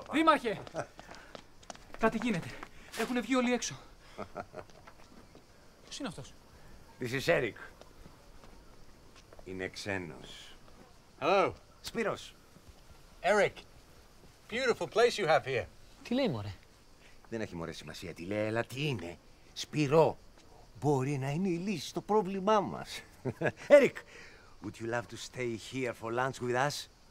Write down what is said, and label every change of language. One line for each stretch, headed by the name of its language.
Greek: bike? Δήμαρχε! Κάτι γίνεται. Έχουν βγει όλοι έξω. Ποιος είναι αυτός?
English: This is Eric.
Greek: Είναι ξένος.
English: Hello. Spiros. Eric. Beautiful place you have here.
Greek: Τι λέει, μωρέ? Δεν έχει, μωρέ, σημασία τι λέει, αλλά τι είναι. Σπυρό. Μπορεί να είναι η λύση στο πρόβλημά μας.
English: Eric, would you love to stay here for lunch with us?